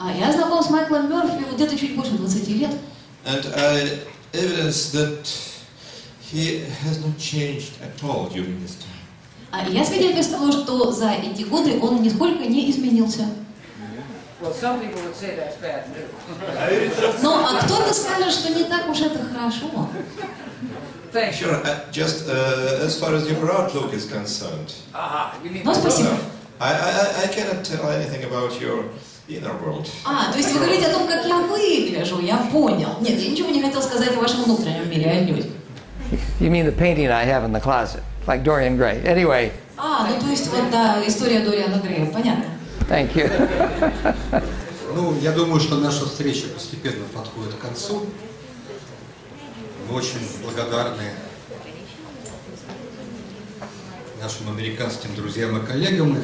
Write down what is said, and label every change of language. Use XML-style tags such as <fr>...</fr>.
<ru>Я знаком с Майклом Мёрфи где-то чуть больше 20 лет.</ru> <en>And I evidence that he has not changed at all during this time.</en> <ru>Я свидетельствую того, что за эти годы он нисколько не изменился. Но а кто-то скажет, что не так уж это хорошо.</ru> <en>Sure, just as far as your outlook is concerned.</en> <ru>Ну, спасибо.</ru> <en>I cannot tell anything about your inner world.</en> <ru>А, то есть вы говорите о том, как я выгляжу, я понял. Нет, я ничего не хотел сказать о вашем внутреннем мире, я не люблю.</ru> <en>You mean the painting I have in the closet, like Dorian Gray. Anyway.</en> <ru>А, ну то есть вот да, история Дориана Грея, понятно.</ru> <en>Thank you.</en> <ru>Ну, я думаю, что наша встреча постепенно подходит к концу. Мы очень благодарны нашим американским друзьям и коллегам.</ru>